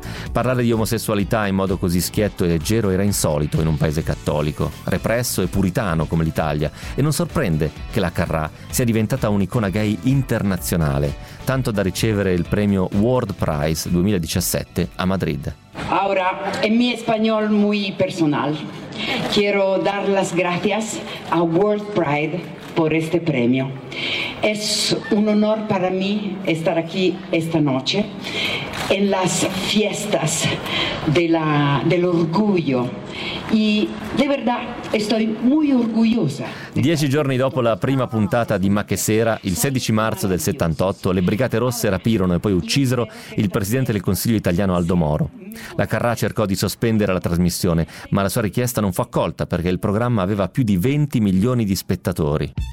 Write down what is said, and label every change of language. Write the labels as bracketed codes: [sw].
[it] Parlare di omosessualità in modo così schietto e leggero era insolito in un paese cattolico, represso e puritano come l'Italia, e non sorprende che la Carrà sia diventata un'icona gay internazionale, tanto da ricevere il premio World Prize 2017 a Madrid. [es] Ahora, en mi español muy personal, quiero dar las gracias a World Pride por este premio. Es un honor para mí estar aquí esta noche en las fiestas del orgullo. Y de verdad estoy muy orgullosa. [it] 10 giorni dopo la prima puntata di Ma che sera, il 16 marzo del 78, le Brigate Rosse rapirono e poi uccisero il presidente del Consiglio italiano Aldo Moro. La Carrà cercò di sospendere la trasmissione, ma la sua richiesta non fu accolta perché il programma aveva più di 20 milioni di spettatori.